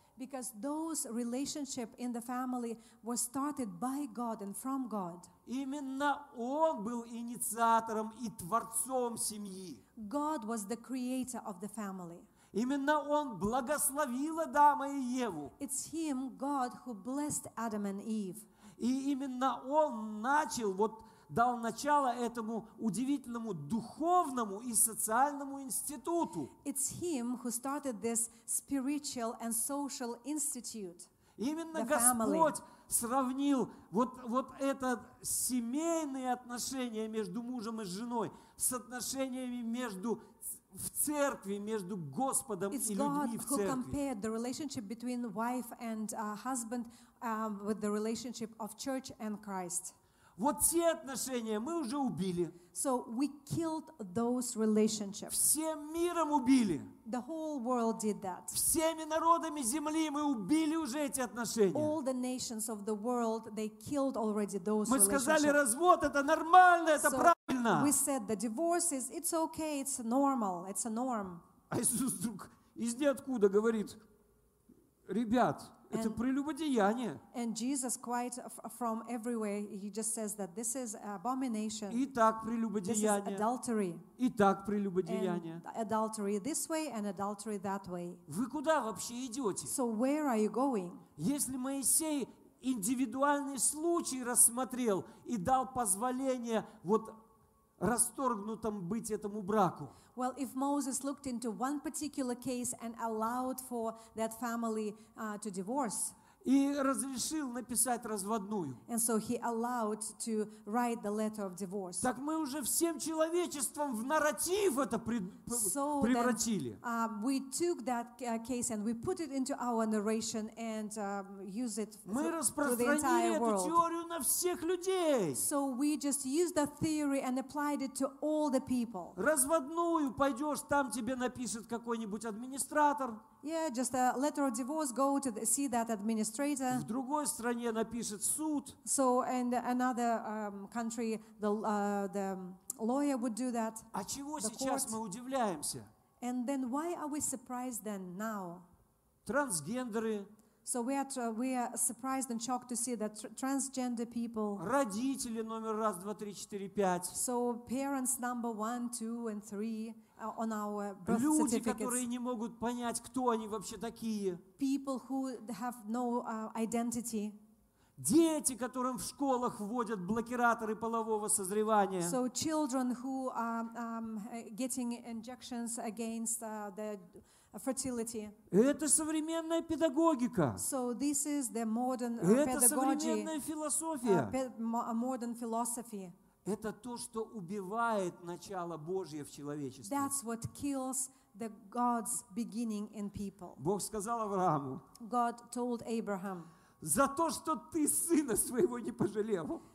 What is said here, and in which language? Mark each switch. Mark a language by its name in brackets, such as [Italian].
[English] Because those relationships in the family were started by God and from God. [Russian] Именно Он был инициатором и творцом семьи. [English] God was the creator of the family. [Russian] Именно Он благословил Адама и Еву. [English] It's Him, God, who blessed Adam and Eve. [Russian] И именно Он начал, вот дал начало этому удивительному духовному и социальному институту. [English] It's Him who started this spiritual and social institute. [Russian] Именно Господь сравнил вот это семейные отношения между мужем и женой с отношениями между в церкви, между Господом [English] It's [Russian] и людьми [English] God [Russian] в церкви. [English] It's God who compared the relationship between wife and husband with the relationship of church and Christ. [Russian] Вот те отношения мы уже убили. [English] So we killed those relationships. [Russian] Всем миром убили. [English] The whole world did that. [Russian] Всеми народами земли мы убили уже эти отношения. [English] All the nations of the world, they killed already those relationships. [Russian] Мы сказали, развод это нормально, это правильно. [English] We said the divorce is it's okay, it's normal, it's a norm. [Russian] А Иисус вдруг из ниоткуда говорит: ребят, это прелюбодеяние. [English] And Jesus quite from everywhere he just says that this is abomination. [Russian] И так прелюбодеяние. [English] This is adultery. [Russian] И так прелюбодеяние. [English] And adultery this way and adultery that way. [Russian] Вы куда вообще идете? [English] So where are you going? [Russian] Если Моисей индивидуальный случай рассмотрел и дал позволение вот расторгнутым быть этому браку. [English] Well, if Moses looked into one particular case and allowed for that family to divorce. [Russian] И разрешил написать разводную. [English] And so he allowed to write the letter of divorce. [Russian] Так мы уже всем человечеством в нарратив это превратили. [English] So we took that case and we put it into our narration and use it for the entire world. [Russian] Мы распространили эту теорию на всех людей. [English] So we just used that theory and applied it to all the people. [Russian] Разводную пойдешь, там тебе напишет какой-нибудь администратор. [English] Yeah, just a letter of divorce, go to see that administrator. [Russian] В другой стране напишет суд. [English] So in another country, the lawyer would do that. [Russian] А чего сейчас мы удивляемся? [English] And then why are we surprised then now? [Russian] Трансгендеры. [English] So we are surprised and shocked to see that transgender people. [Russian] Родители номер 1, 2, 3, 4, 5. [English] So parents number 1, 2 and 3. On our birth certificates. [Russian] Люди, которые не могут понять, кто они вообще такие. [English] People who have no identity. [Russian] Дети, которым в школах вводят блокираторы полового созревания. [English] So children who are getting injections against the fertility. [Russian] Это современная педагогика. [English] So this is the modern pedagogy. [Russian] Это современная философия. [English] Modern philosophy. [Russian] Это то, что убивает начало Божье в человечестве. [English] That's what kills the God's beginning in people. [Russian] Бог сказал Аврааму. [English] God told Abraham. [Russian] За то, что ты сына своего не пожалел.